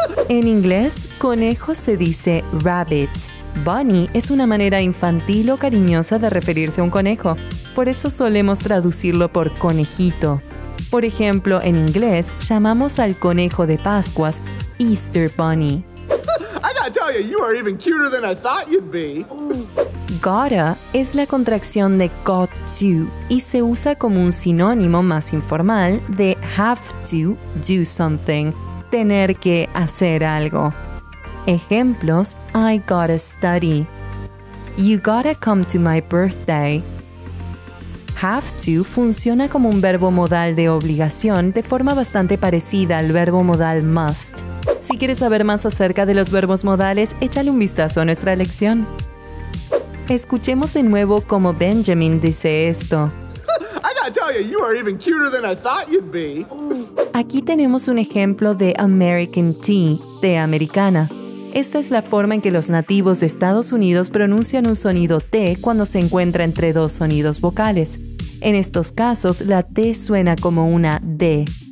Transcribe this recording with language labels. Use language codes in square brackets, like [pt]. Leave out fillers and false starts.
[es] En inglés, conejo se dice rabbit, Bunny es una manera infantil o cariñosa de referirse a un conejo. Por eso solemos traducirlo por conejito. Por ejemplo, en inglés, llamamos al conejo de Pascuas Easter Bunny. [en] I gotta tell you, you are even cuter than I thought you'd be. [es] Gotta es la contracción de got to y se usa como un sinónimo más informal de [en] have to do something, [es] tener que hacer algo. [en] Ejemplos: I gotta study. You gotta come to my birthday. [es] Have to funciona como un verbo modal de obligación de forma bastante parecida al verbo modal must. Si quieres saber más acerca de los verbos modales, échale un vistazo a nuestra lección. Escuchemos de nuevo cómo Benjamin dice esto. [en] I gotta tell you, you are even cuter than I thought you'd be. [es] Aquí tenemos un ejemplo de American tea, té americana. Esta es la forma en que los nativos de Estados Unidos pronuncian un sonido T cuando se encuentra entre dos sonidos vocales. En estos casos, la T suena como una D.